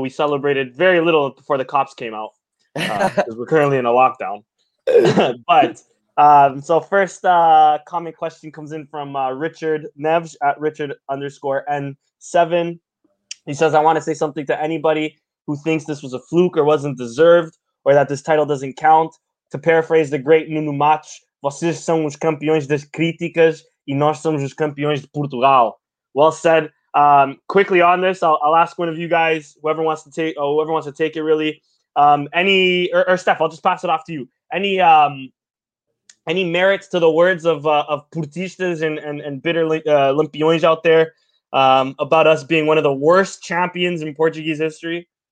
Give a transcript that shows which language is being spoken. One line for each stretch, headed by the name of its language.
English: We celebrated very little before the cops came out because we're currently in a lockdown. But so first comment question comes in from Richard Neves at Richard_N7. He says, I want to say something to anybody who thinks this was a fluke or wasn't deserved or that this title doesn't count. To paraphrase the great Nuno Matos,
Portuguese: vocês são os campeões das críticas e nós somos os campeões de Portugal.
English: Well said. Quickly on this, I'll ask one of you guys, whoever wants to take it really. Or Steph, I'll just pass it off to you. Any merits to the words of Portistas and bitter Lampiões out there? About us being one of the worst champions in Portuguese history?